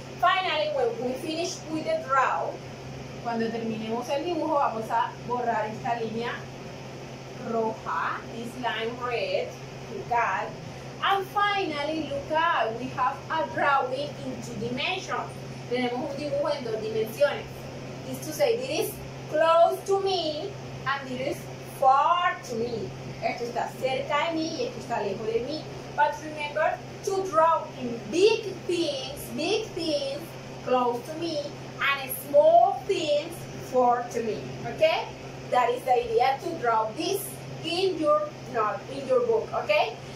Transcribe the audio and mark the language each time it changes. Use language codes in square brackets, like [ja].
[en] Finally, when we finish with the draw, [es] cuando terminemos el dibujo, vamos a borrar esta línea roja, [en] this line red, look at. And finally, look at, we have a drawing in two dimensions. [es] Tenemos un dibujo en dos dimensiones. [en] It's to say, this is close to me, and this is far to me. [es] Esto está cerca de mí, y esto está lejos de mí. [en] But remember, to draw in big things, close to me, and small things, far to me, okay? That is the idea, to draw this in your book, okay?